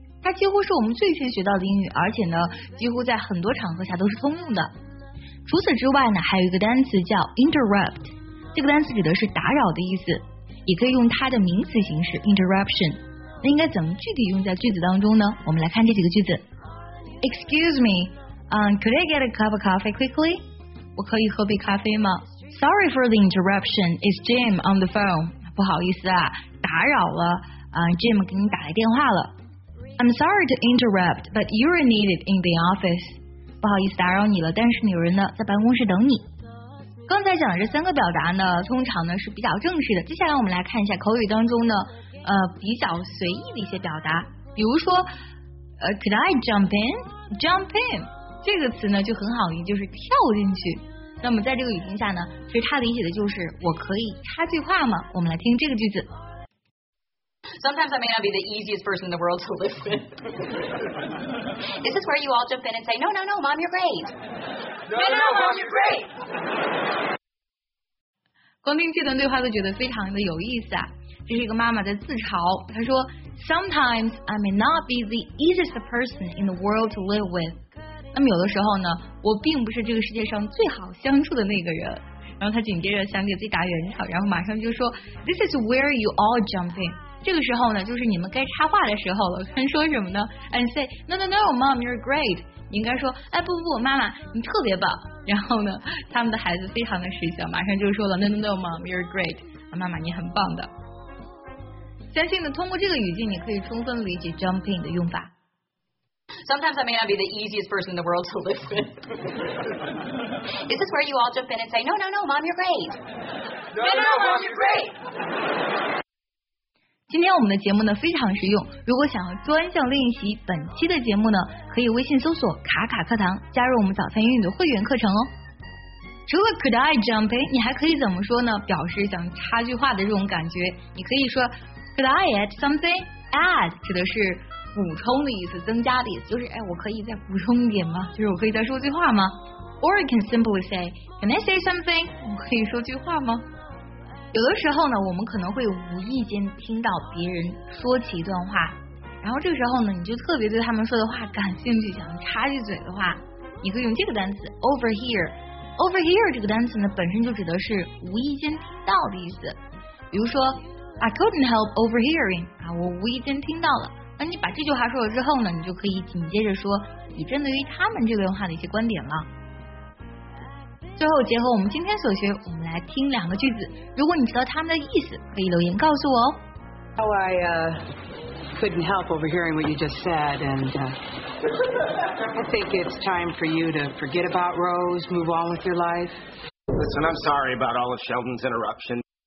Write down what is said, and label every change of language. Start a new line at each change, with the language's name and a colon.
Chinese: 它几乎是我们最先学到的英语，而且呢几乎在很多场合下都是通用的。除此之外呢，还有一个单词叫 interrupt， 这个单词指的是打扰的意思，也可以用它的名词形式 interruption。那应该怎么具体用在句子当中呢？我们来看这几个句子。
English: Excuse me、could I get a cup of coffee quickly?
Chinese: 我可以喝杯咖啡吗？
English: Sorry for the interruption, it's Jim on the phone。
Chinese: 不好意思啊，打扰了、Jim 给你打来电话了。
English: I'm sorry to interrupt, but you're needed in the office.
Chinese: 不好意思打扰你了，但是有人呢在办公室等你。刚才讲的这三个表达呢，通常呢是比较正式的。接下来我们来看一下口语当中呢，比较随意的一些表达。比如说，
English: Could I jump in?
Chinese: Jump in 这个词呢就很好理解，就是跳进去。那么在这个语境下呢，其实它理解的就是我可以插句话吗？我们来听这个句子。
English: Sometimes I may not be the easiest person in the world to live with. This is where you all jump in and say, no, no, no, mom, you're great. No, no, mom, you're great.
Chinese: 光听这段对话都觉得非常的有意思啊。这是一个妈妈在自嘲，她说
English: Sometimes I may not be the easiest person in the world to live with.
Chinese: 那么有的时候呢，我并不是这个世界上最好相处的那个人。然后她紧接着想给自己打圆场，然后马上就说
English: This is where you all jump in.
Chinese: 这个时候呢，就是你们该插话的时候了。该说什么呢
English: ？And say no no no, mom, you're great。
Chinese: 你应该说，哎不不不，妈妈你特别棒。然后呢，他们的孩子非常的识相，马上就说了
English: no no no, mom, you're great。
Chinese: 妈妈你很棒的。相信呢，通过这个语境，你可以充分理解 jump in 的用法。
English: Sometimes I may not be the easiest person in the world to live with. Is this where you all jump in and say no no no, mom, you're great? No no, mom, you're great.
Chinese: 今天我们的节目呢非常实用，如果想要专项练习本期的节目呢，可以微信搜索卡卡课堂，加入我们早餐英语的会员课程哦。除了
English: could I jump in，
Chinese: 你还可以怎么说呢？表示想插句话的这种感觉，你可以说
English: could I add something，
Chinese: add 指的是补充的意思，增加的意思，就是哎，我可以再补充一点吗？就是我可以再说句话吗？
English: Or you can simply say can I say something，
Chinese: 我可以说句话吗？有的时候呢，我们可能会无意间听到别人说起一段话，然后这个时候呢，你就特别对他们说的话感兴趣，想插一嘴的话，你可以用这个单词 overhear。 overhear 这个单词呢，本身就指的是无意间听到的意思。比如说 ，
English: I couldn't help overhearing
Chinese: 啊，我无意间听到了。那你把这句话说了之后呢，你就可以紧接着说你针对于他们这段话的一些观点了。最后结合我们今天所学，我们来听两个句子。如果你知道他们的意思，可以留言告诉我哦。
English: Oh, I couldn't help overhearing what you just said, and I think it's time for you to forget about Rose, move on with your life. Listen, I'm sorry about all of Sheldon's interruptions.